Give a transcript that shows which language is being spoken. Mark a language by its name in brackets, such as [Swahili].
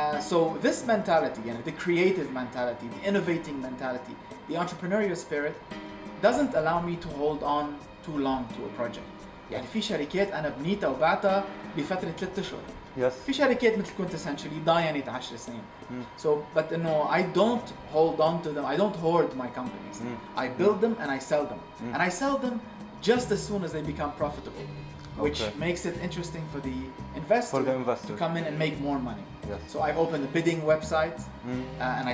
[English] So this mentality, you know, the creative mentality, the innovating mentality, the entrepreneurial spirit doesn't allow me to hold on too long to a project. [Arabic] يعني في شركات انا بنيتها وبعتها بفتره 3 اشهر. [English] Yes. [Arabic] في شركات مثل Quintessentially ضاينت 10 سنين. [English] So but you know I don't hold on to them. I don't hoard my companies. I build them and I sell them. And I sell them just as soon as they become profitable. Which okay. makes it interesting for the investor for the investors. To come in and make more money. Yes. So I opened a bidding website and I